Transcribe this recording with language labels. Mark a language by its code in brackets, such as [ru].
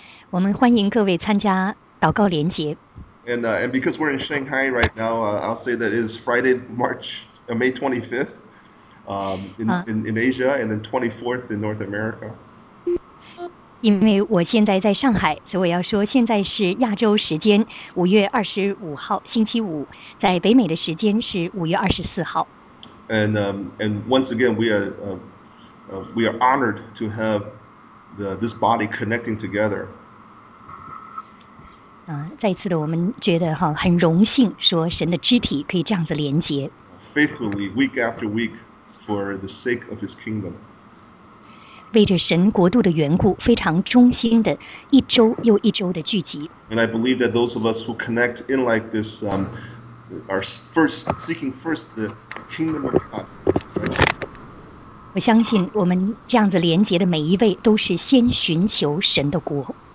[zh] 我们欢迎各位参加祷告连结。 [en] And because we're in Shanghai right now, I'll say that it is Friday, May 25th in Asia, and then 24th in North America. [zh] 因为我现在在上海，所以我要说现在是亚洲时间5月25号星期五，在北美的时间是5月24号。 [en] And once again, we are honored to have this body connecting together. [zh] 再一次的，我们觉得哈很荣幸，说神的肢体可以这样子连结。 [en] Faithfully, week after week, for the sake of His kingdom. [zh] 为着神国度的缘故，非常忠心的，一周又一周的聚集。 [en] And I believe that those of us who connect in like this, are first seeking first the kingdom of God. [zh] 我相信我们这样子连结的每一位都是先寻求神的国。